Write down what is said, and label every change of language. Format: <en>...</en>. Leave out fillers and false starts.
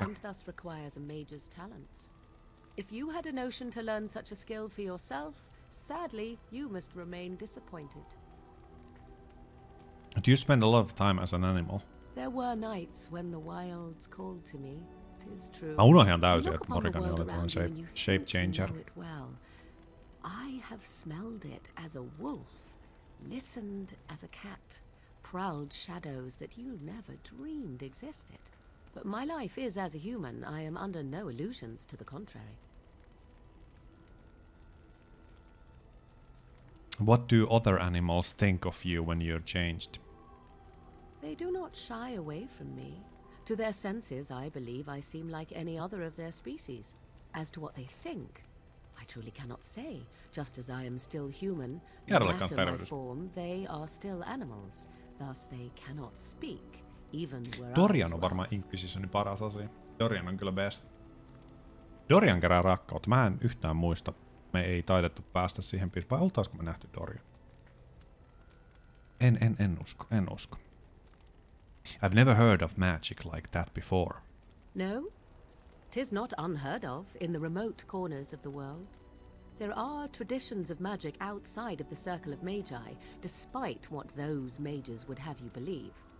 <en>And thus requires a mage's talents. If you had a notion to learn such a skill for yourself, sadly, you must remain disappointed. Do you spend a lot of time as an animal? There were nights when the wilds called to me.</en> <fi>Mä unohdin ihan täysin, että Morrigan oli tämän shape changer.</fi> <en>I have smelled it as a wolf, listened as a cat, prowled shadows that you never dreamed existed. But my life is as a human, I am under no illusions to the contrary. What do other animals think of you when you're changed? They do not shy away from me. To their senses, I believe I seem like any other of their species. As to what they think, I truly cannot say. Just as I am still human, no matter my form, they are still animals. Thus they cannot speak, even were I to ask.</en> <fi>Dorian on varmaan Inquisitionin paras asia. Dorian on kyllä best. Dorian kerää rakkautta. Mä en yhtään muista. Me ei taidettu päästä siihen piirin. Vai oltaisiko me nähty Dorian? En usko.</fi> <en>I've never heard of magic like that before. No, 'tis not unheard of in the remote corners of the world. There are traditions of magic outside of the circle of magi, despite what those mages would have you believe.</en>